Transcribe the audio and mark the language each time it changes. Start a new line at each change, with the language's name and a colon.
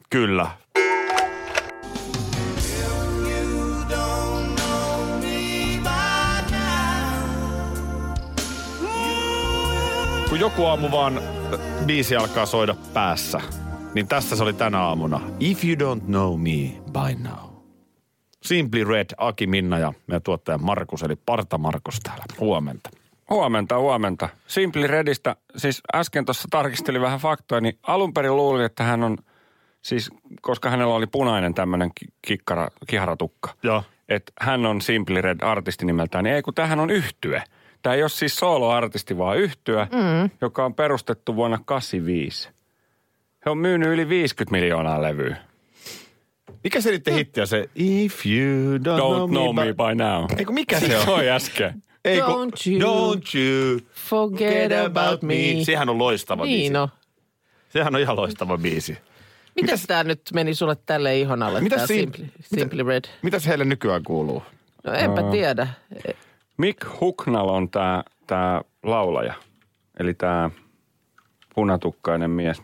Finnish: Kyllä. Kun joku aamu vaan biisi alkaa soida päässä, niin tässä se oli tänä aamuna.
English: If you don't know me by now.
Finnish: Simply Red, Aki, Minna ja meidän tuottaja Markus, eli Parta Markus täällä. Huomenta. Huomenta, huomenta. Simply Redistä, siis äsken tuossa tarkistelin vähän faktoja, niin alun perin luulin, että hän on, siis koska hänellä oli punainen tämmöinen kiharatukka. Joo. Että hän on Simply Red artisti nimeltään, niin ei kun tämähän on yhtye. Tämä ei ole siis soolo-artisti, vaan yhtyä, joka on perustettu vuonna 1985. He on myynyt yli 50 miljoonaa levyä. Mikä se niiden hittiä se?
English: If you don't know me by now.
Finnish: Eiku, mikä se on? Se oli äsken. Eiku,
English: don't you forget about me.
Finnish: Sehän on loistava biisi. Niin on. Sehän on ihan loistava biisi. Mitäs tämä nyt meni sulle tälle ihon alle, tämä Simply Red? Mitäs heille nykyään kuuluu? No enpä tiedä. Mick Hucknall on tämä laulaja, eli tämä punatukkainen mies.